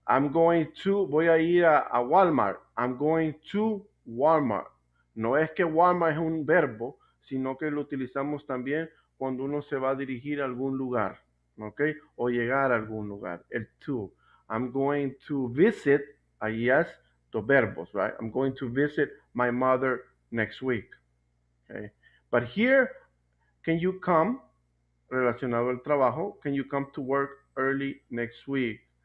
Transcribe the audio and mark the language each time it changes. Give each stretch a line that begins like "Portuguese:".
Spanish: Voy a ir a Walmart,
English: I'm going to Walmart.
Spanish: No es que Walmart es un verbo, sino que lo utilizamos también cuando uno se va a dirigir a algún lugar, ¿ok? O llegar a algún lugar, el to.
English: I'm going to visit,
Spanish: ahí es, dos verbos,
English: right? I'm going to visit my mother next week. Okay. But here, can you come,
Spanish: relacionado al trabajo,
English: can you come to work early next week?